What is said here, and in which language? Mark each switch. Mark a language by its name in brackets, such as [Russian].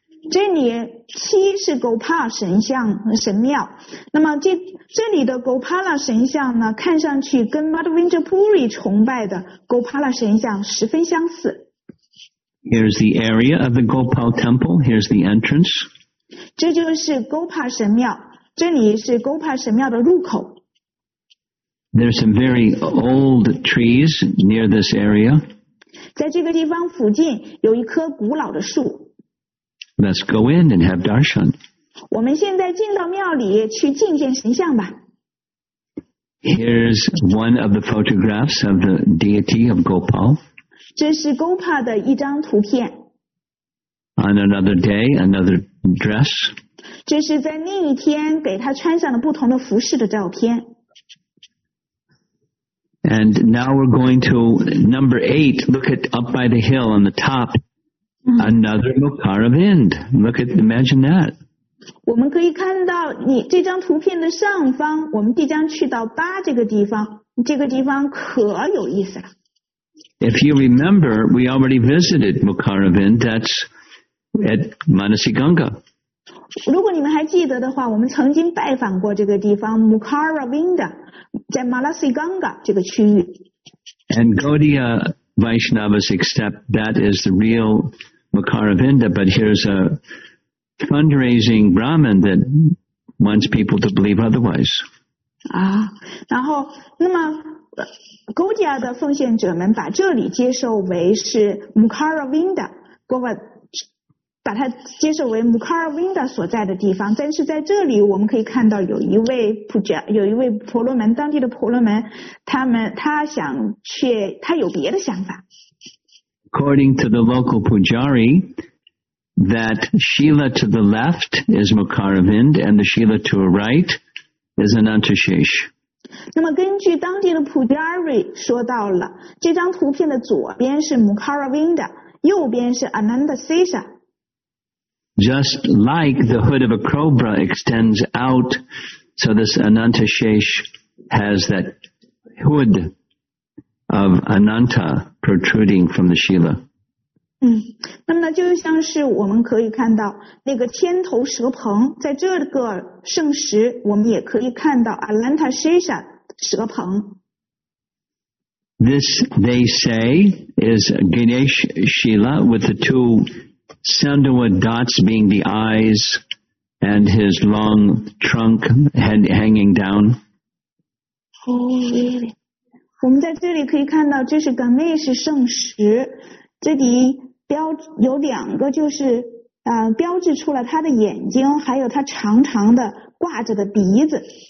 [Chinese] 这里七是 Gopal 神像神庙，那么 这里的 Gopala 神像呢，看上去跟 Madhavendra Puri 崇拜的 Gopala 神像十分相似。 [English] Here's the area of the Gopal temple. Here's the entrance. [Chinese] 这就是 Gopal 神庙，这里是 Gopal 神庙的入口。 [English] There's some very old trees near this area. [Chinese] 在这个地方附近有一棵古老的树。 [English] Let's go in and have darshan. [Chinese] 我们现在进到庙里去觐见神像吧。 [English] Here's one of the photographs of the deity of Gopal. [Chinese] 这是 Gopal 的一张图片。 [English] On another day, another dress. [Chinese] 这是在另一天给他穿上了不同的服饰的照片。 [English] And now we're going to number 8. Look at up by the hill on the top. Another Mukaravind. Look at, imagine that. [Chinese] 我们可以看到你这张图片的上方，我们即将去到八这个地方，这个地方可有意思了。 [English] If you remember, we already visited Mukaravind. That's at Manasiganga. [Chinese] 如果你们还记得的话，我们曾经拜访过这个地方 Mukaravind, 在 Manasiganga 这个区域。 [English] And Gaudiya. Vaishnavas accept that is the real Mukaravinda, but here's a fundraising Brahmin that wants people to believe otherwise. [Chinese] Ah, 然后那么 Gaudiya 的奉献者们把这里接受为是 Mukaravinda, 把它接受为 Mukaravinda 所在的地方。但是在这里我们可以看到有一位普加，有一位婆罗门，当地的婆罗门，他有别的想法。 [English] According to the local pujari, that Shila to the left is Mukaravind, and the Shila to the right is Anantashesh. [Chinese] 那么根据当地的 pujari 说到了，这张图片的左边是 Mukaravinda， 右边是 Anantashesha。 [English] Just like the hood of a cobra extends out, so this Anantashesh has that hood of Ananta protruding from the Shila. [Chinese] 那么就像是我们可以看到那个千头蛇棚，在这个圣石我们也可以看到 Anantashesha 蛇棚。 [English] This, they say, is Ganesh Shila with the two... Sandalwood dots being the eyes and his long trunk hanging down. Oh, really? [Chinese] 我们在这里可以看到这是 Ganesh 圣石，这里标有两个就是标志出了他的眼睛，还有他长长的挂着的鼻子。